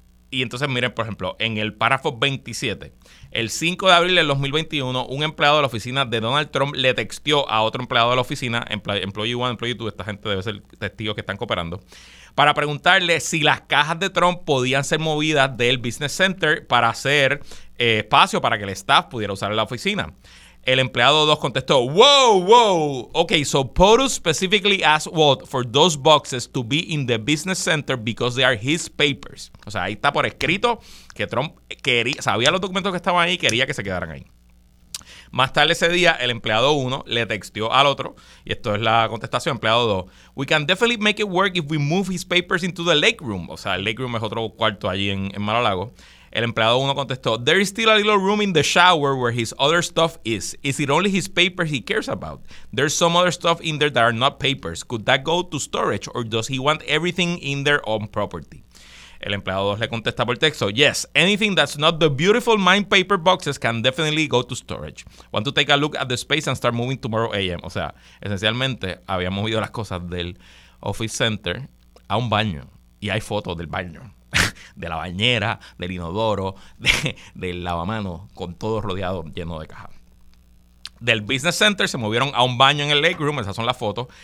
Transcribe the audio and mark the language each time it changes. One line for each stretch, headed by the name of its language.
Spanish: Y entonces miren, por ejemplo, en el párrafo 27, el 5 de abril del 2021, un empleado de la oficina de Donald Trump le texteó a otro empleado de la oficina, Employee 1, Employee 2, esta gente debe ser testigos que están cooperando, para preguntarle si las cajas de Trump podían ser movidas del Business Center para hacer espacio para que el staff pudiera usar la oficina. el empleado 2 contestó,
English: wow, wow. Okay, so POTUS specifically asked Walt for those boxes to be in the business center because they are his papers.
Spanish: O sea, ahí está por escrito que Trump quería, sabía los documentos que estaban ahí y quería que se quedaran ahí. Más tarde ese día, el empleado 1 le texteó al otro, y esto es la contestación, empleado 2,
English: we can definitely make it work if we move his papers into the lake room.
Spanish: O sea, el lake room es otro cuarto allí en Mar-a-Lago. El empleado 1 contestó,
English: there is still a little room in the shower where his other stuff is. Is it only his papers he cares about? There's some other stuff in there that are not papers. Could that go to storage or does he want everything in their own property?
Spanish: El empleado 2 le contesta por texto,
English: yes, anything that's not the beautiful mind paper boxes can definitely go to storage. Want to take a look at the space and start moving tomorrow AM.
Spanish: O sea, esencialmente había movido las cosas del office center a un baño y hay fotos del baño. De la bañera, del inodoro, del lavamanos, con todo rodeado, lleno de cajas. Del business center se movieron a un baño en el lake room, esas son las fotos.